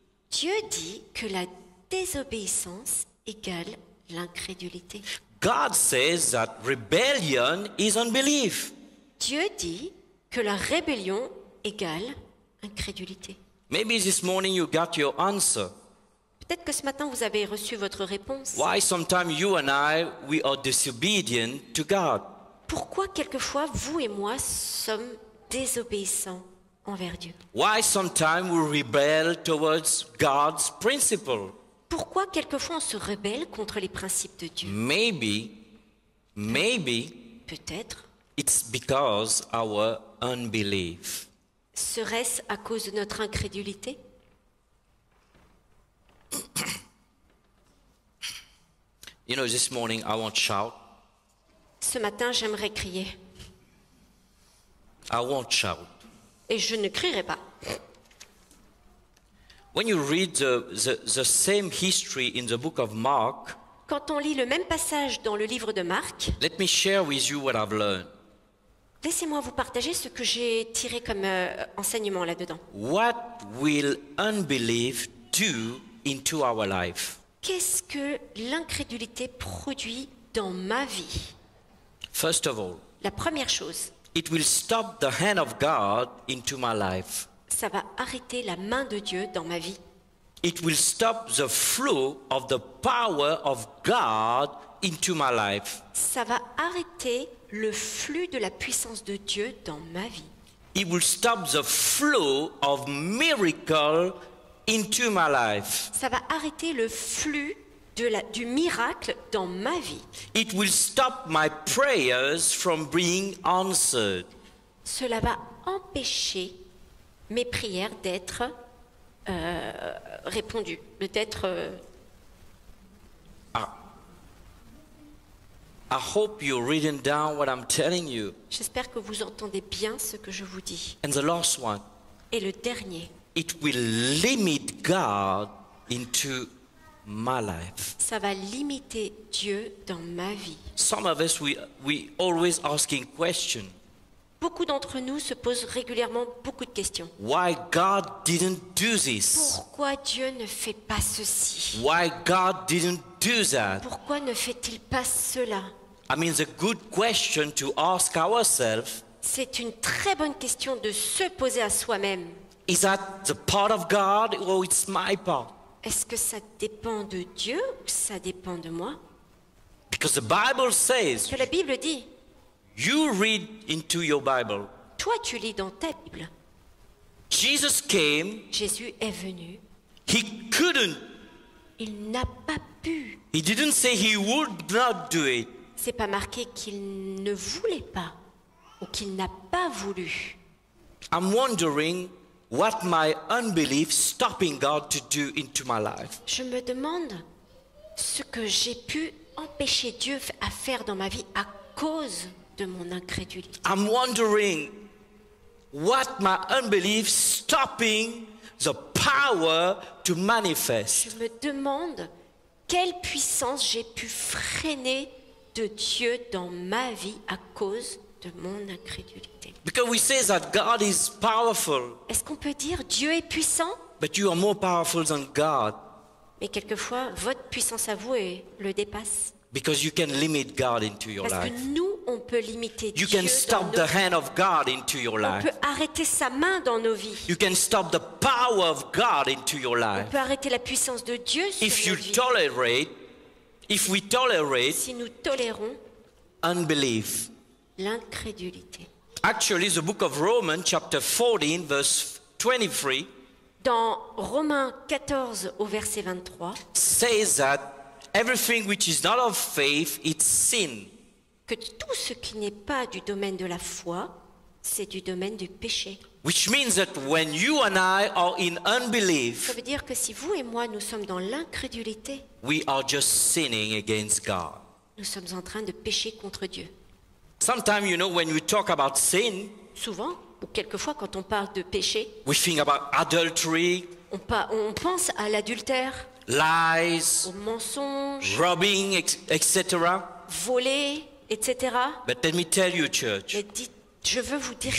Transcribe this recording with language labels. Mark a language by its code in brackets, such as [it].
[fr] Dieu dit que la désobéissance égale l'incrédulité. [en] God says that rebellion is unbelief. [fr] Dieu dit que la rébellion égale incrédulité. [en] Maybe this morning you got your answer. [fr] Peut-être que ce matin vous avez reçu votre réponse. [en] Why sometimes you and I we are disobedient to God? [fr] Pourquoi quelquefois vous et moi sommes désobéissants envers Dieu? [en] Why sometimes we rebel towards God's principle? [fr] Pourquoi quelquefois on se rebelle contre les principes de Dieu? [en] Maybe [fr] peut-être [en] it's because our unbelief. [fr] Serait-ce à cause de notre incrédulité? [en] You know, this morning I want to shout. [fr] Ce matin, j'aimerais crier. [en] I want to shout. [fr] Et je ne crierai pas. [en] When you read the same history in the book of Mark, [fr] quand on lit le même passage dans le livre de Marc, [en] let me share with you what I've learned. [fr] Laissez-moi vous partager ce que j'ai tiré comme enseignement là-dedans. [en] What will unbelief do into our life? [fr] Qu'est-ce que l'incrédulité produit dans ma vie? [en] First of all, [fr] la première chose, [en] it will stop the hand of God into my life. [fr] Ça va arrêter la main de Dieu dans ma vie. [en] It will stop the flow of the power of God into my life. [fr] Ça va arrêter le flux de la puissance de Dieu dans ma vie. [en] It will stop the flow of miracle into my life. [fr] Ça va arrêter le flux du miracle dans ma vie. [en] It will stop my prayers from being answered. [fr] Cela va empêcher mes prières d'être répondues, d'être. [en] I hope you're reading down what I'm telling you. [fr] J'espère que vous entendez bien ce que je vous dis. [en] And the last one. [fr] Et le dernier. [en] It will limit God into my life. [fr] Ça va limiter Dieu dans ma vie. [en] Some of us we always asking questions. [fr] Beaucoup d'entre nous se posent régulièrement beaucoup de questions. [en] Why God didn't do this? [fr] Pourquoi Dieu ne fait pas ceci? [en] Why God didn't do that? [fr] Pourquoi ne fait-il pas cela? [en] I mean, it's a good question to ask ourselves. [fr] C'est une très bonne question de se poser à soi-même. [en] Is that the part of God or it's my part? [fr] Est-ce que ça dépend de Dieu ou ça dépend de moi? [en] Because the Bible says. [fr] Que la Bible dit. [en] You read into your Bible. [fr] Toi, tu lis dans ta Bible. [en] Jesus came. [fr] Jésus est venu. [en] He couldn't. [fr] Il n'a pas pu. [en] He didn't say he would not do it. [fr] C'est pas marqué qu'il ne voulait pas ou qu'il n'a pas voulu. [en] I'm wondering what my unbelief stopping God to do into my life. [fr] Je me demande ce que j'ai pu empêcher Dieu à faire dans ma vie à cause de mon incrédulité. [en] I'm wondering what my unbelief stopping the power to manifest. [fr] Je me demande quelle puissance j'ai pu freiner de Dieu dans ma vie à cause de mon incrédulité. [en] Because we say that God is powerful. [fr] Est-ce qu'on peut dire Dieu est puissant? [en] But you are more powerful than God. [fr] Mais quelquefois, votre puissance à vous le dépasse. [en] Because you can limit God into your life. [fr] Parce que nous, on peut limiter Dieu. [en] You can stop the hand of God into your life. [fr] On peut arrêter sa main dans nos vies. [en] You can stop the power of God into your life. [fr] On peut arrêter la puissance de Dieu sur nos vies. [en] If you tolerate, if we tolerate, [fr] si nous tolérons, [en] unbelief, [fr] l'incrédulité. [en] Actually, the book of Romans, chapter 14, verse 23, [fr] dans Romains 14 au verset 23, [en] says that. Everything which is not of faith, it's sin. [fr] Que tout ce qui n'est pas du domaine de la foi, c'est du domaine du péché. [en] Which means that when you and I are in unbelief, [fr] ça veut dire que si vous et moi nous sommes dans l'incrédulité, [en] we are just sinning against God. [fr] Nous sommes en train de pécher contre Dieu. [en] Sometimes, you know, when we talk about sin, [fr] souvent ou quelquefois quand on parle de péché, [en] we think about adultery. [fr] On pense à l'adultère. [en] Lies, [fr] aux mensonges, [en] robbing, etc. [fr] Voler, etc. [en] But let me tell you, church. [fr] Je veux vous dire